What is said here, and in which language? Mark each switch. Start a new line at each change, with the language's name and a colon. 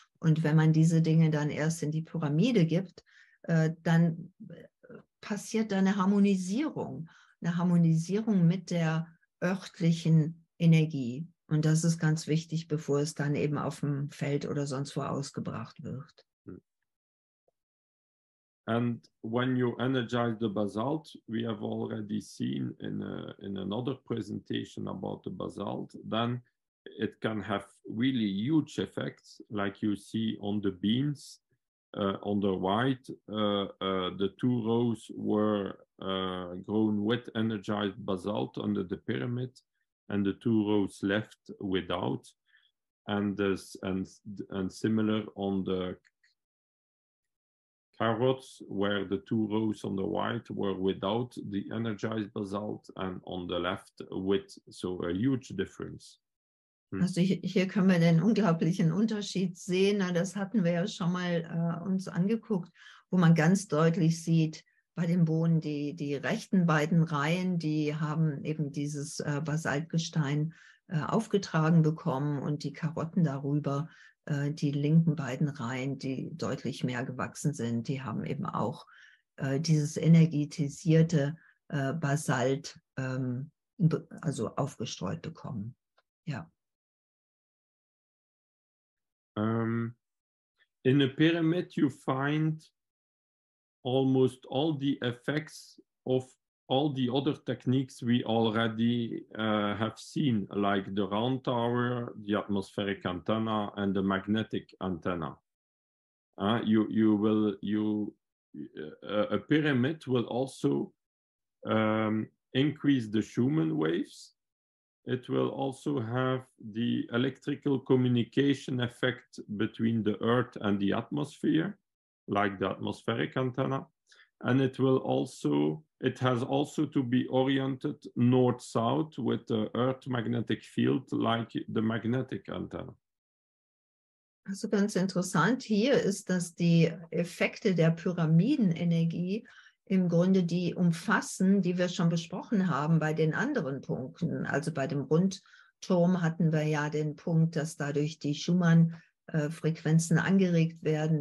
German: Und wenn man diese Dinge dann erst in die Pyramide gibt, dann passiert da eine Harmonisierung mit der örtlichen Energie. Und das ist ganz wichtig, bevor es dann eben auf dem Feld oder sonst wo ausgebracht wird.
English: And when you energize the basalt, we have already seen in another presentation about the basalt, then it can have really huge effects, like you see on the beans, on the white, the two rows were grown with energized basalt under the pyramid. And the two rows left without, and similar on the carots, where the two rows on the right were without the energized basalt and on the left with, so a huge difference.
German: Also hier können wir den unglaublichen Unterschied sehen. Na, das hatten wir ja schon mal uns angeguckt, wo man ganz deutlich sieht, bei den Bohnen, die rechten beiden Reihen, die haben eben dieses Basaltgestein aufgetragen bekommen und die Karotten darüber, die linken beiden Reihen, die deutlich mehr gewachsen sind, die haben eben auch dieses energetisierte Basalt also aufgestreut bekommen. Ja.
English: In a pyramid you find almost all the effects of all the other techniques we already have seen, like the round tower, the atmospheric antenna, and the magnetic antenna. A pyramid will also increase the Schumann waves. It will also have the electrical communication effect between the Earth and the atmosphere, like the atmospheric antenna. And it has also to be oriented north-south with the Earth magnetic field, like the magnetic antenna.
German: Also ganz interessant hier ist, dass die Effekte der Pyramidenenergie im Grunde die umfassen, die wir schon besprochen haben bei den anderen Punkten. Also bei dem Rundturm hatten wir ja den Punkt, dass dadurch die Schumann-Frequenzen angeregt werden.